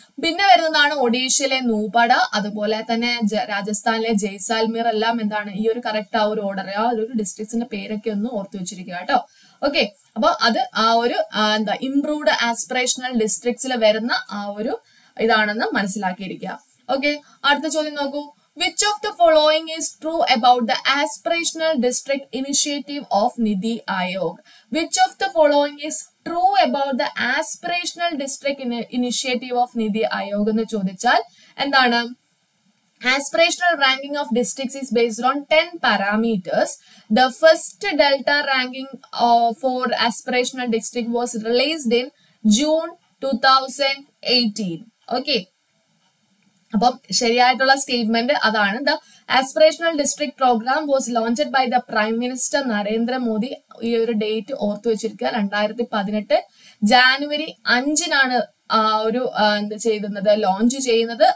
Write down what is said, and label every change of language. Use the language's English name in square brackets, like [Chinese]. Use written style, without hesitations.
[Malayalam] പിന്നെ വരുന്നതാണ് ഒഡീഷയിലെ നൂപട, അതുപോലെ തന്നെ രാജസ്ഥാനിലെ ജയ്സാൽമീർ. എല്ലാം എന്താണ് ഈ ഒരു കറക്റ്റ് ആ ഒരു ഓർഡർ, ആ ഒരു ഡിസ്ട്രിക്ട്സിന്റെ പേരൊക്കെ ഒന്ന് ഓർത്തു വെച്ചിരിക്കുക, കേട്ടോ. ഓക്കെ, അപ്പൊ അത് ആ ഒരു എന്താ ഇംപ്രൂവ്ഡ് ആസ്പിറേഷണൽ ഡിസ്ട്രിക്ട്സിൽ വരുന്ന ആ ഒരു ഇതാണെന്ന് മനസ്സിലാക്കിയിരിക്കുക. ഓക്കെ, അടുത്ത ചോദ്യം നോക്കൂ. [English] Which of the following is true about the aspirational district initiative of NITI Ayog? Which of the following is true about the aspirational district initiative of NITI Ayog? [Malayalam] എന്ന് ചോദിച്ചാൽ എന്താണ്? [English] Aspirational ranking of districts is based on 10 parameters. The first delta ranking for aspirational district was released in June 2018. Okay. [Malayalam] അപ്പം ശരിയായിട്ടുള്ള statement അതാണ്. [English] The aspirational district programme was launched by the prime minister Narendra Modi. [Malayalam] ഈ ഒരു date ഓർത്തു വെച്ചിരിക്കുക, 2018 January 5 ആ ഒരു എന്ത് ചെയ്യുന്നത്, ലോഞ്ച് ചെയ്യുന്നത്.